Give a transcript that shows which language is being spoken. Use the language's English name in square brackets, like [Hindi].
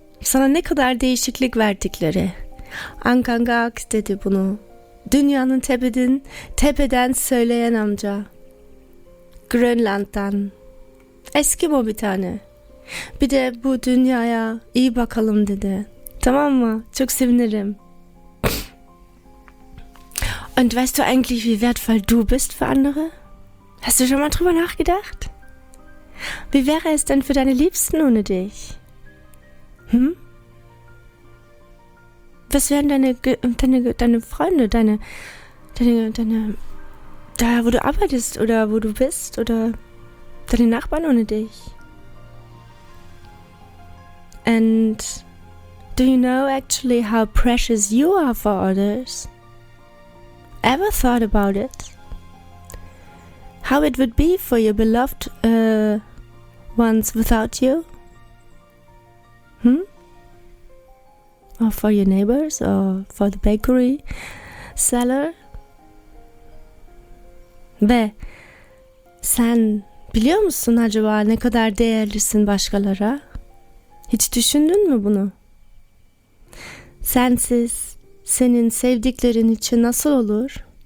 [Turkish] sana ne kadar değişiklik verdikleri. Angangak dedi bunu. Dünyanın tepeden söyleyen amca. Grönland'dan. Eskimo bir tane. Bir de bu dünyaya iyi bakalım dedi. Tamam mı? Çok sevinirim. [German] Und weißt du eigentlich, wie wertvoll du bist für andere? Hast du schon mal drüber nachgedacht? Wie wäre es denn für deine Liebsten ohne dich? Hm? Was wären deine Freunde, da wo du arbeitest oder wo du bist oder deine Nachbarn ohne dich? [English] And do you know actually how precious you are for others? Ever thought about it? How it would be for your beloved ones without you? Hmm? Or for your neighbors, or for the bakery seller? [Turkish] Ve sen biliyor musun acaba ne kadar değerlisin başkalara? Hiç düşündün mü bunu? Sensiz senin sevdiklerin için nasıl olur?